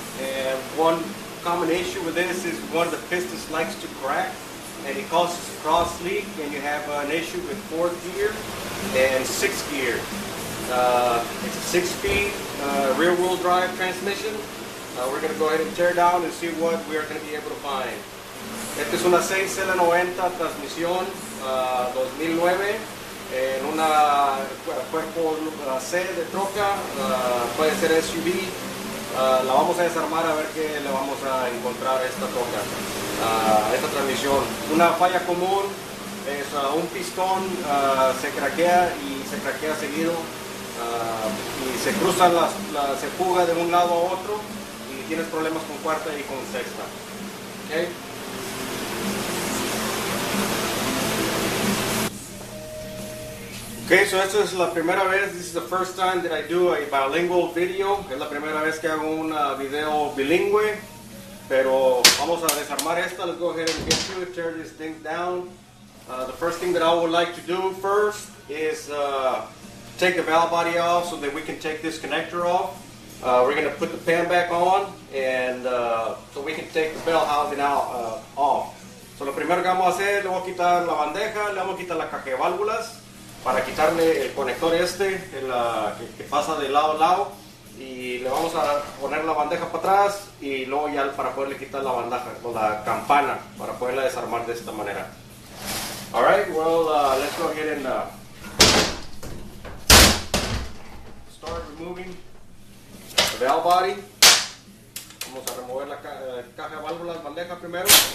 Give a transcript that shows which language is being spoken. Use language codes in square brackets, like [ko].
[en] And one common issue with this is one of the pistons likes to crack, and it causes a cross leak, and you have an issue with fourth gear and sixth gear. It's a 6-speed rear wheel drive transmission. We're gonna go ahead and tear down and see what we are gonna be able to find. [es] Esta es una 690 transmisión 2009 en una cuerpo C de troca, puede ser SUV. La vamos a desarmar a ver qué le vamos a encontrar a esta troca, esta transmisión. Una falla común es un pistón se craquea y se craquea seguido y se cruza se fuga de un lado a otro y tienes problemas con cuarta y con sexta. Okay. [en] Okay, so [es] esta es la primera vez, [en] this is the first time that I do a bilingual video. [es] Es la primera vez que hago un video bilingüe. Pero vamos a desarmar esta, [en] let's go ahead and get to it, tear this thing down. The first thing that I would like to do first is take the valve body off so that we can take this connector off. We're going to put the pan back on and so we can take the bell housing out, off. [es] So lo primero que vamos a hacer, le voy a quitar la bandeja, le vamos a quitar la caja de válvulas. Para quitarle el conector este, que pasa de lado a lado, y le vamos a poner la bandeja para atrás, y luego ya para poderle quitar la bandeja, o la campana, para poderla desarmar de esta manera. [en] All right, well, let's go ahead and start removing the valve body. [es] Vamos a remover la caja de válvulas, bandeja primero.